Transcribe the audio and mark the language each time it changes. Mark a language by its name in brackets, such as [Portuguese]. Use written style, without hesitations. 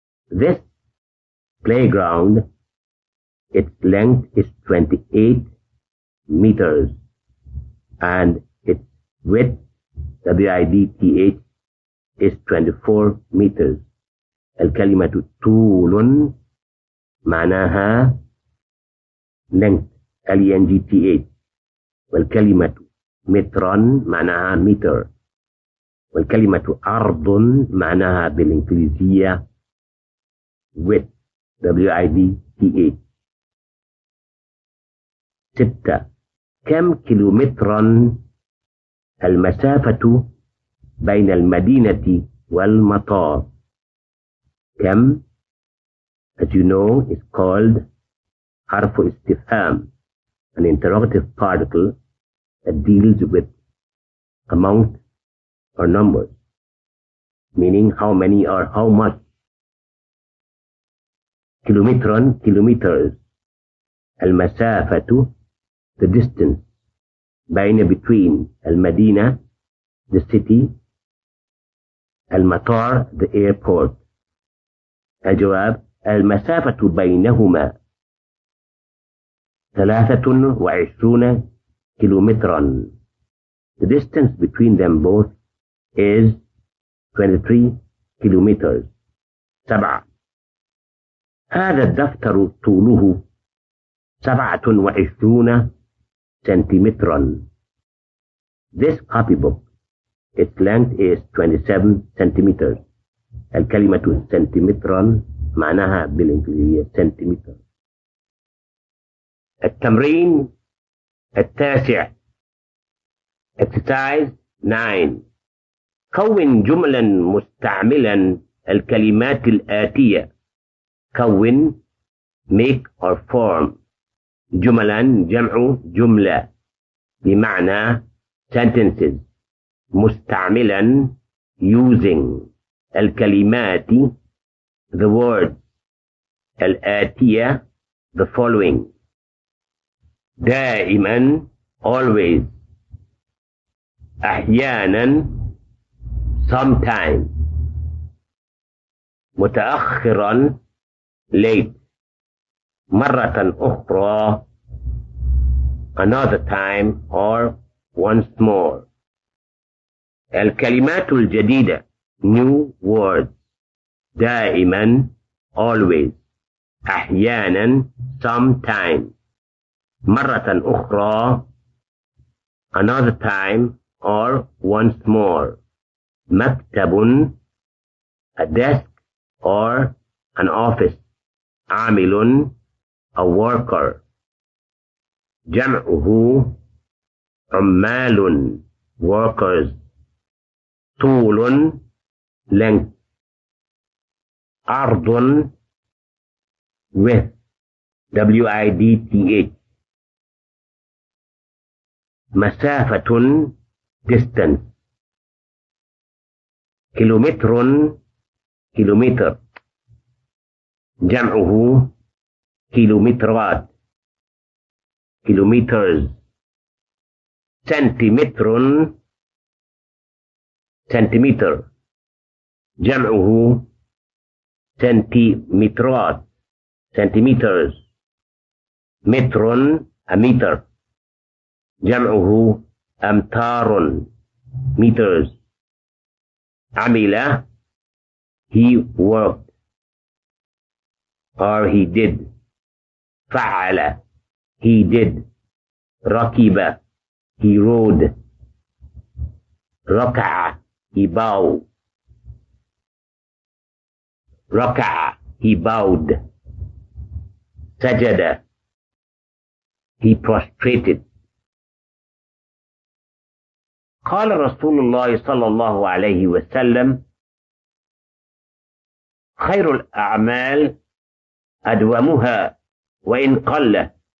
[English] This playground, its length is 28 meters and its width, W-I-D-T-H, is 24 meters. [Arabic] الكلمة طول معناها length, L-E-N-G-T-H. والكلمة متر معناها meter. والكلمة أرض معناها بالإنجليزية width, W-I-D-T-H. ستة كم كيلومترا المسافة بين المدينة والمطار؟ [English] كم as you know is called [Arabic] حرف استفهام, [English] an interrogative particle that deals with amount or numbers, meaning how many or how much. كيلومترا kilometers المسافة the distance بين between المدينة the city المطار the airport. [Arabic] الجواب المسافة بينهما 23 كيلومترا. [English] The distance between them both is 23 kilometers. [Arabic] 7 هذا الدفتر طوله 27 سنتيمترا. [English] This copybook its length is 27 centimeters. [Arabic] الكلمة سنتيمترا معناها بالإنجليزية سنتيمتر. التمرين التاسع [English] exercise 9 [Arabic] كون جملا مستعملا الكلمات الآتية. كون [English] make or form. [Arabic] جملاً جمع جملة بمعنى sentences. [English] مستعملاً using الكلمات the words. الآتية the following. [Arabic] دائماً always. أحياناً sometime. متأخراً late. مرة أخرى [English] another time or once more. [Arabic] الكلمات الجديدة [English] new words. [Arabic] دائما always. أحيانا sometime. مرة أخرى [English] another time or once more. مكتب a desk or an office. عامل a worker. [Arabic] جمعه عمال workers. طول length. [English] عرض width width. [Arabic] مسافة distance. كيلومتر كيلومتر. جمعه كيلومترات kilometers. سنتيمتر سنتيمتر. جمعه سنتيمترات سنتيمترز. متر أمتر. جمعه أمتار meters. [English] عمل he worked or he did. [Arabic] فعل [English] he did. ركب he rode. ركع he bowed. ركع he bowed. سجد he prostrated. [Arabic] قال رسول الله صلى الله عليه وسلم خير الأعمال أدومها وإن قل.